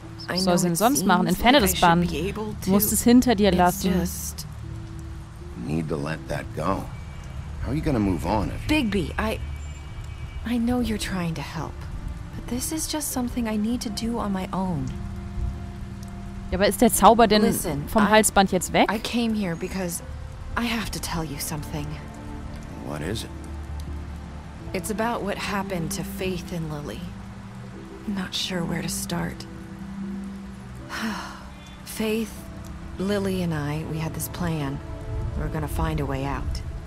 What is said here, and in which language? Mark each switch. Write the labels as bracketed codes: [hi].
[de] Was soll sie denn sonst machen? Entferne das Band. Du musst es hinter dir lassen. [en] Just... You need to let that go. How are you gonna move on if Bigby, I know you're trying to help. But this is just something I need to do on my own. [de] Ja, aber ist der Zauber denn vom Halsband jetzt weg? [en] I came here because I have to tell you something. What is it? It's about what happened to Faith and Lily. Not sure where to start. Faith, Lily and I, we had this plan. We're gonna find a way out.